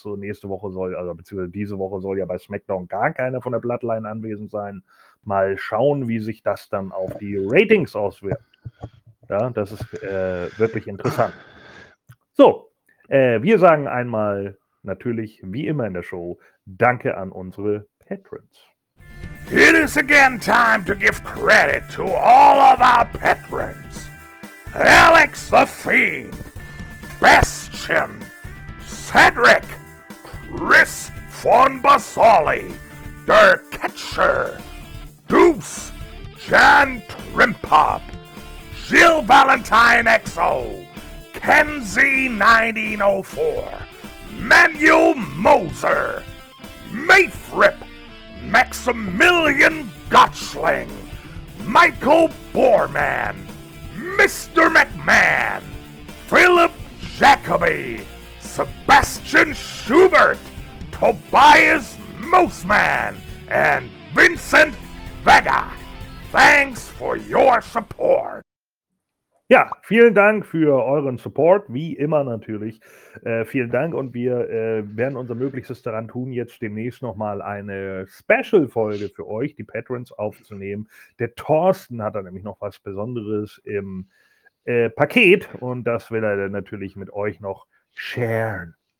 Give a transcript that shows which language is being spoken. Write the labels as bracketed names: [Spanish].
[German] So nächste Woche soll, also beziehungsweise diese Woche soll ja bei SmackDown gar keiner von der Bloodline anwesend sein. Mal schauen, wie sich das dann auf die Ratings auswirkt. Ja, das ist wirklich interessant. So, wir sagen einmal natürlich, wie immer in der Show, danke an unsere Patrons. [English] It is again time to give credit to all of our Patrons. Alex the Fiend, Bastion, Cedric, Chris von Basali, Der Catcher, Deuce, Jan Trimpop, Jill Valentine XO, Kenzie 1904, Manuel Moser, Mayfrip, Maximilian Gotchling, Michael Boorman, Mr. McMahon, Philip Jacoby, Sebastian Schubert, Tobias Moseman, and Vincent Vega. Thanks for your support. [German] Ja, vielen Dank für euren Support, wie immer natürlich. Vielen Dank und wir werden unser Möglichstes daran tun, jetzt demnächst nochmal eine Special-Folge für euch, die Patrons, aufzunehmen. Der Thorsten hat da nämlich noch was Besonderes im Paket und das will er dann natürlich mit euch noch sharen.